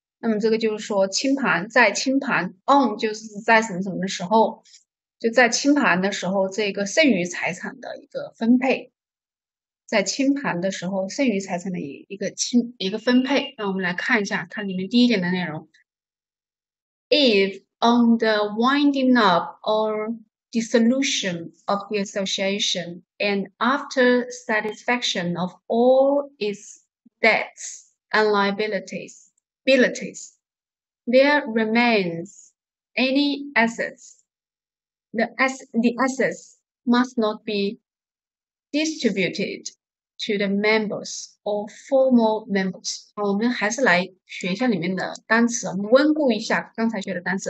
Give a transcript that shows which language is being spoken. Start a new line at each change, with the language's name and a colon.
Chinese: 那么这个就是说，清盘
English: on
Chinese: 就是在什么什么的时候，就在清盘的时候，这个剩余财产的一个分配。在清盘的时候，剩余财产的一个分配。那我们来看一下它里面第一点的内容。
English: If on the winding up or dissolution of the association and after satisfaction of all its debts and liabilities, there remains any assets, the assets must not be distributed to the members or formal members。
Chinese: 好，我们还是来学一下里面的单词，我们温故一下刚才学的单词。